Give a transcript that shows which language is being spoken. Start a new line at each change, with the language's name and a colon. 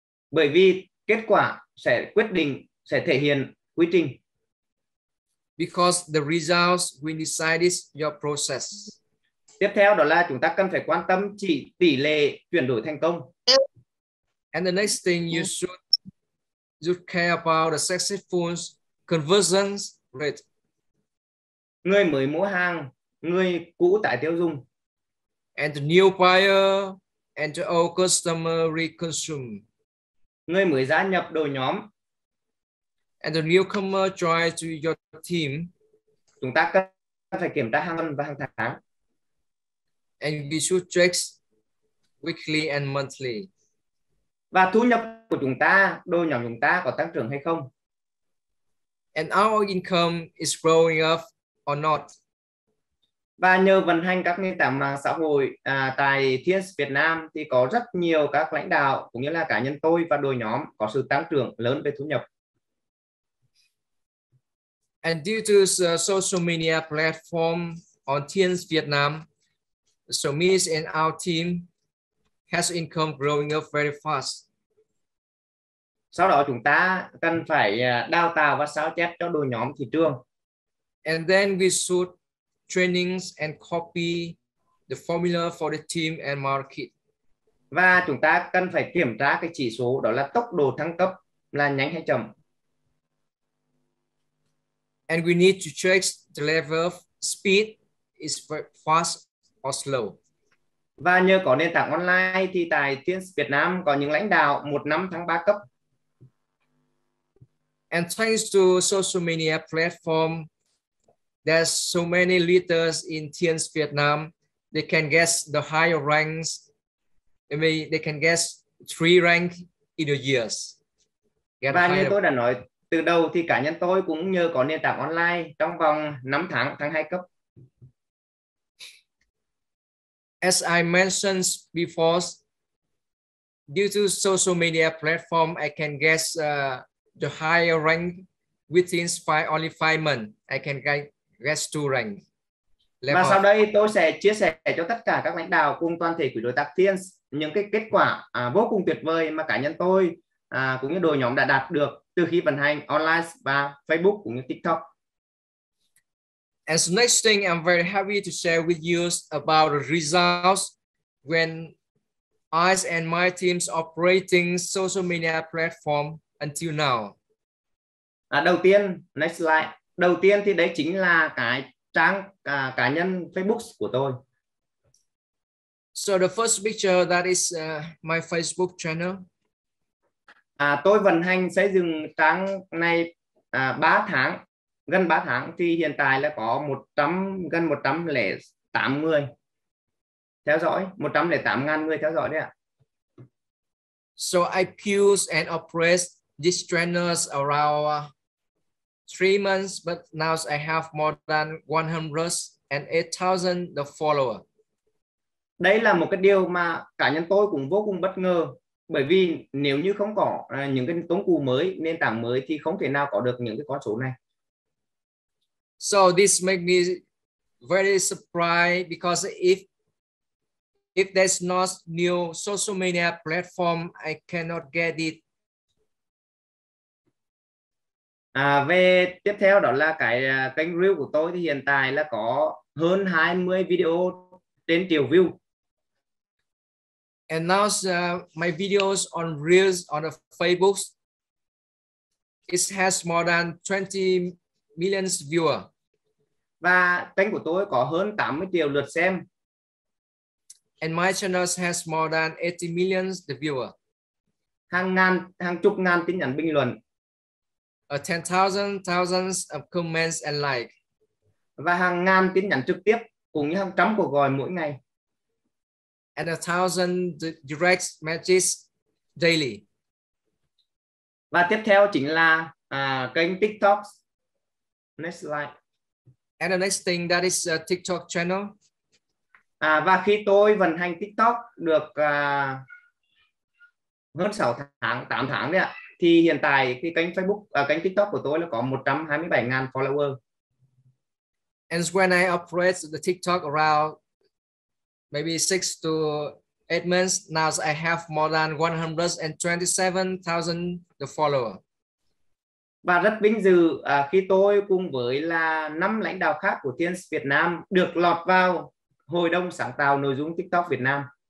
Vietnamese: Bởi vì kết quả sẽ quyết định, sẽ thể hiện quy trình.
English: Because the results will decide your process.
Vietnamese: Tiếp theo đó là chúng ta cần phải quan tâm chỉ tỷ lệ chuyển đổi thành công.
English: And the next thing you should care about the successful conversion rate.
Vietnamese: Người mới mua hàng, người cũ tái tiêu dùng.
English: And the new buyer and the old customer reconsume.
Vietnamese: Người mới gia nhập đội nhóm.
English: And the newcomer join to your team.
Vietnamese: Chúng ta cần phải kiểm tra hàng tuần và hàng tháng.
English: And we should check weekly and monthly.
Vietnamese: Và thu nhập của chúng ta, đội nhóm chúng ta có tăng trưởng hay không?
English: And our income is growing up or not.
Vietnamese: Và nhờ vận hành các nền tảng mạng xã hội tại Thiên Việt Nam thì có rất nhiều các lãnh đạo cũng như là cá nhân tôi và đội nhóm có sự tăng trưởng lớn về thu nhập.
English: And due to the social media platform on Thiên Việt Nam, so me and our team has income growing up very fast.
Vietnamese: Sau đó chúng ta cần phải đào tạo và sao chép cho đội nhóm thị trường.
English: And then we should trainings and copy the formula for the team and market.
Vietnamese: Và chúng ta cần phải kiểm tra cái chỉ số đó là tốc độ thăng cấp là nhanh hay chậm.
English: And we need to check the level of speed is fast or slow.
Vietnamese: Và nhờ có nền tảng online thì tại Teams Việt Nam có những lãnh đạo một năm thăng ba cấp.
English: And thanks to social media platform, there's so many leaders in Teams Vietnam. They can get the higher ranks. I mean, they can get 3 ranks in a year.
Vietnamese: Get và như tôi đã nói từ đầu thì cá nhân tôi cũng nhờ có nền tảng online trong vòng 5 tháng thăng 2 cấp.
English: As I mentioned before, due to social media platform, I can get the higher rank within five months. I can get 2 rank.
Vietnamese: Và sau đây tôi sẽ chia sẻ cho tất cả các lãnh đạo cùng toàn thể quỹ đối tác Teams những cái kết quả vô cùng tuyệt vời mà cá nhân tôi cũng như đội nhóm đã đạt được từ khi vận hành online và Facebook cũng như TikTok.
English: And so next thing, I'm very happy to share with you about the results when I and my teams operating social media platform until now.
Vietnamese: Đầu tiên,
English: next slide.
Vietnamese: Đầu tiên thì đấy chính là cái trang cá nhân Facebook của tôi.
English: So the first picture, that is my Facebook channel.
Vietnamese: Tôi vận hành xây dựng trang này 3 tháng. Gần 3 tháng thì hiện tại là có 108 người theo dõi, 108.000 người theo dõi đấy ạ.
English: So I use and operate these trainers around 3 months, but now I have more than 108,000 the follower.
Vietnamese: Đây là một cái điều mà cá nhân tôi cũng vô cùng bất ngờ, bởi vì nếu như không có những cái công cụ mới, nền tảng mới thì không thể nào có được những cái con số này.
English: So this makes me very surprised because if there's not new social media platform, I cannot get it.
Vietnamese: Về tiếp theo đó là cái kênh reel của tôi thì hiện tại là có hơn 20 video trên triệu view.
English: And now my videos on reels on the Facebook, it has more than 20 million viewers.
Vietnamese: Và kênh của tôi có hơn 80 triệu lượt xem.
English: And my channel has more than 80 million viewers.
Vietnamese: Hàng chục ngàn tin nhắn bình luận.
English: Thousands of comments and like.
Vietnamese: Và hàng ngàn tin nhắn trực tiếp cùng với hàng trăm cuộc gọi mỗi ngày.
English: And 1,000 direct messages daily.
Vietnamese: Và tiếp theo chính là kênh TikTok.
English: Next slide. And the next thing, that is a TikTok channel.
Vietnamese: Và khi tôi vận hành TikTok được hơn 8 tháng đấy ạ, thì hiện tại cái kênh Facebook, kênh TikTok của tôi là có 127.000 follower.
English: And when I operate the TikTok around maybe 6 to 8 months, now I have more than 127,000 the follower.
Vietnamese: Và rất vinh dự khi tôi cùng với là 5 lãnh đạo khác của Teams Việt Nam được lọt vào hội đồng sáng tạo nội dung TikTok Việt Nam.